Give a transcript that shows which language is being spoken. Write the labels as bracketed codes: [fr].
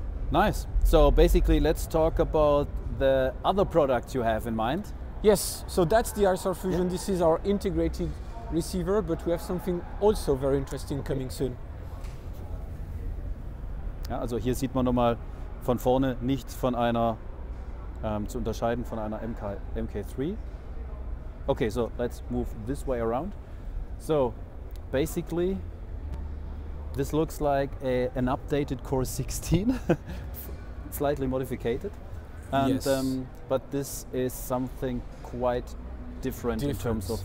[en] Nice. So basically, let's talk about the other products you have in mind. Yes. So that's the ISR Fusion. Yep. This is our integrated receiver, but we have something also very interesting coming soon. [de] Ja, also hier sieht man nochmal von vorne nichts von einer zu unterscheiden von einer MK3. [en] Okay, so let's move this way around. So basically, this looks like an updated Core 16, slightly modified. And, yes. But this is something quite different in terms of